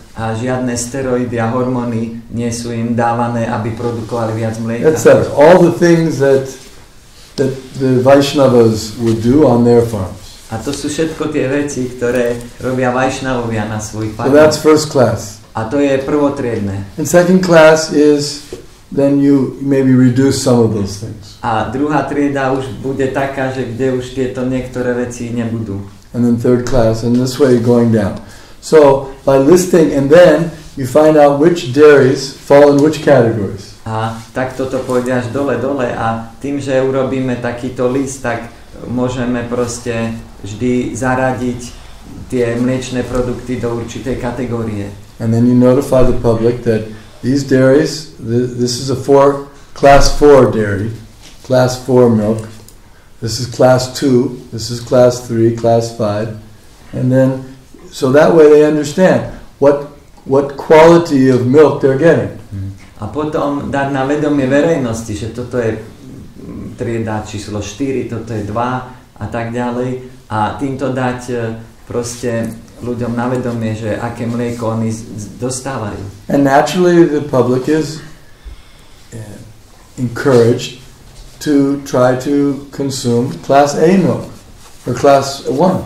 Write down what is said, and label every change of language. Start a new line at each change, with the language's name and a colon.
Slovak: A žiadne steroidy a hormóny nie sú im dávané, aby produkovali viac mlieka.
English: That's it. All the things that the Vaishnavas would do on their farms.
Slovak: A to sú všetko tie veci, ktoré robia Vaishnavovia na svojich farmách.
English: So that's first class.
Slovak: A to je prvotriedne.
English: And second class is then you maybe reduce some of those things.
Slovak: A druhá trieda už bude taká, že kde už tieto niektoré veci nebudú.
English: And then third class, and this way going down. So by listing, and then you find out which dairies fall in which categories.
Slovak: A tak toto pôjde až dole a tým, že urobíme takýto list, tak môžeme proste vždy zaradiť tie mliečne produkty do určitej kategórie.
English: And then you notify the public that these dairies, this is a four, class 4 dairy, class 4 milk, this is class 2, this is class 3, class 5, and then so that way they understand what quality of milk they're getting.
Slovak: A potom dať na vedomie verejnosti, že toto je trieda číslo 4, toto je 2 a tak ďalej. A týmto dať proste ľuďom na vedomie, že aké mlieko oni dostávajú.
English: And naturally the public is encouraged to try to consume class A milk or class 1.